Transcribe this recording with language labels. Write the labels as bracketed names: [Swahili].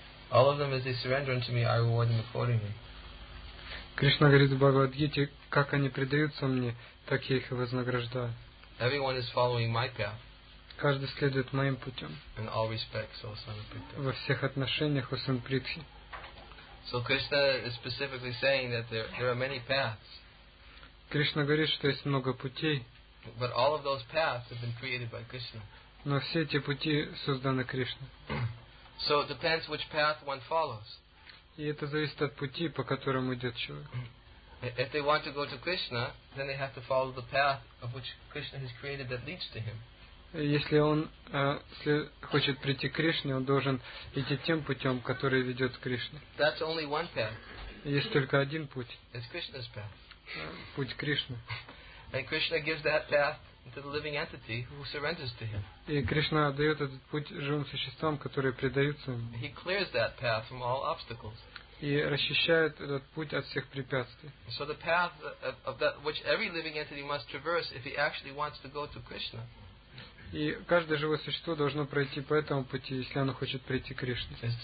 [English] All of them, as they surrender unto me, I reward them accordingly. [Russian] Кришна говорит в Бхагавад-гите, как они предаются мне, так я их и вознаграждаю. [English] Everyone is following my path. [Russian] Каждый следует моим путем. [English] In all respects, O Son of Pritha. [Russian] Во всех отношениях, О Сын Притхи. [English] So Krishna is specifically saying that there are many paths. [Russian] Кришна говорит, что есть много путей. [English] But all of those paths have been created by Krishna. [Russian] Но все эти пути созданы Кришной. [English] So it depends which path one follows. [Russian] И это зависит от пути, по которому идет человек. [English] If they want to go to Krishna, then they have to follow the path of which Krishna has created that leads to him. [Russian] Если он хочет прийти к Кришне, он должен идти тем путем, который ведет к Кришне. [English] That's only one path. [Russian] Есть только один путь. [English] It's Krishna's path. [Russian] Путь Кришны. [English] And Krishna gives that path to the living entity who surrenders to him. [Russian] И Кришна дает этот путь живым существам, которые предаются ему. [English] He clears that path from all obstacles. [Russian] и расчищает этот путь от всех препятствий. [English] So the path of that which every living entity must traverse if he actually wants to go to Krishna. [Russian] И каждое живое существо должно пройти по этому пути, если оно хочет прийти к Кришне.